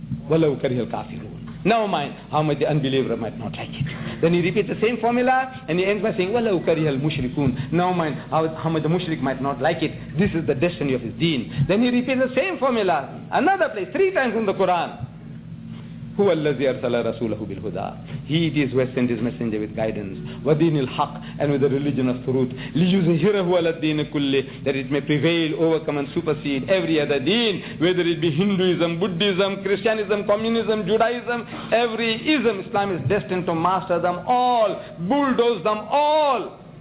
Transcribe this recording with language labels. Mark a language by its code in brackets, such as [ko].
[ar] ولو كره الكافرون. [en] Now mind, how much the unbeliever might not like it. Then he repeats the same formula, and he ends by saying, [ar] ولو كره المشركون. [en] Now mind, how much the mushrik might not like it. This is the destiny of his deen. Then he repeats the same formula, another place, 3 times in the Quran. [ar] هو الذي أرسل رسوله بالهدى. [en] He it is who has sent his messenger with guidance, [ar] ودين الحق, [en] and with the religion of truth, [ar] ليزهره على الدين كله, [en] that it may prevail, overcome and supersede every other deen, whether it be Hinduism, Buddhism, Christianism, Communism, Judaism, every ism. Islam is destined to master them all, bulldoze them all.